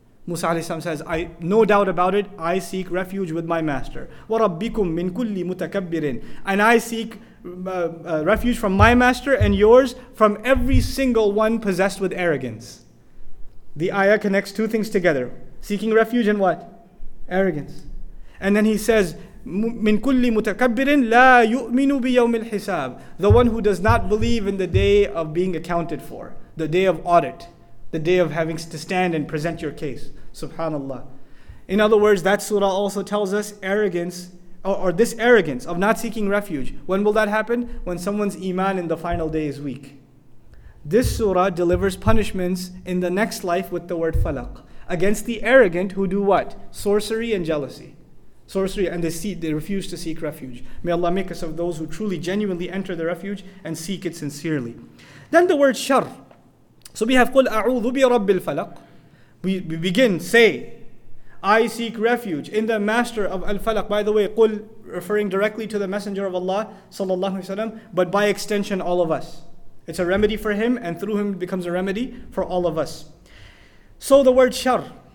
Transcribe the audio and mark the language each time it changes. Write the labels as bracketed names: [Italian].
[English] Musa alayhi salam says, I no doubt about it, I seek refuge with my master. [Arabic] وَرَبِّكُم مِّن كُلِّ مُتَكَبِّرٍ. [English] And I seek refuge from my master and yours from every single one possessed with arrogance. The ayah connects two things together. Seeking refuge in what? Arrogance. And then he says, [Arabic] مِن كُلِّ مُتَكَبِّرٍ لَا يُؤْمِنُ بِيَوْمِ الْحِسَابِ. [English] The one who does not believe in the day of being accounted for, the day of audit, the day of having to stand and present your case. Subhanallah. In other words, that surah also tells us arrogance, or this arrogance of not seeking refuge. When will that happen? When someone's iman in the final day is weak. This surah delivers punishments in the next life with the word falaq. Against the arrogant who do what? Sorcery and jealousy. Sorcery and deceit, they refuse to seek refuge. May Allah make us of those who truly, genuinely enter the refuge and seek it sincerely. Then the word shar. So we have [Arabic] قُلْ أَعُوذُ بِرَبِّ الْفَلَقِ. [English] We begin, say, I seek refuge in the master of al-falaq. By the way, قُلْ, referring directly to the messenger of Allah sallallahu alaihi wasallam, but by extension, all of us. It's a remedy for him, and through him it becomes a remedy for all of us. So the word shar.